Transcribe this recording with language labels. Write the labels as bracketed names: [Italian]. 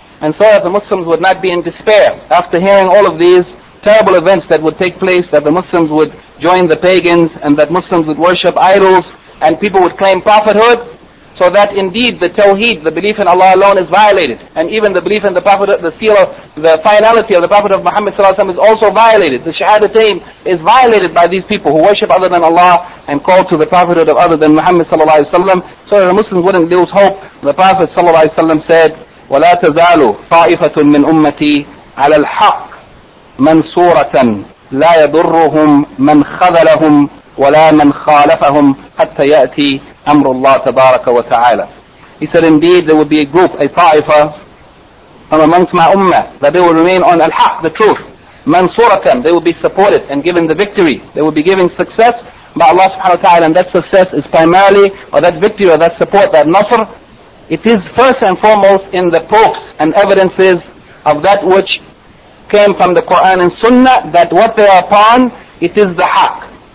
[English] And so that the Muslims would not be in despair after hearing all of these terrible events that would take place, that the Muslims would join the pagans and that Muslims would worship idols and people would claim prophethood, so that indeed the Tawheed, the belief in Allah alone, is violated. And even the belief in the Prophet, the seal of the finality of the Prophet of Muhammad sallallahu alaihi wasallam, is also violated. The Shahadatain is violated by these people who worship other than Allah and call to the prophethood of other than Muhammad sallallahu alaihi wasallam. So that the Muslims wouldn't lose hope, the Prophet sallallahu alaihi wasallam said, [Arabic] وَلَا تَزَالُ طَائِفَةٌ مِّنْ أُمَّتِي عَلَى الْحَقِّ مَنْصُورَةً لَا يَضُرُّهُمْ مَنْ خَذَلَهُمْ وَلَا مَنْ خَالَفَهُمْ حَتَّى يَأْتِي أَمْرُ اللَّهِ تَبَارَكَ وَتَعَالَى. [English] He said, indeed, there would be a group, a ta'ifa, from amongst my ummah, that they will remain on al-haq, the truth. مَنْصُورَةً, they will be supported and given the victory. They will be given success by Allah subhanahu wa ta'ala, and that success is primarily, or that victory, or that support, that nasr, it is first and foremost in the proofs and evidences of that which came from the Quran and Sunnah, that what they are upon, it is the haq.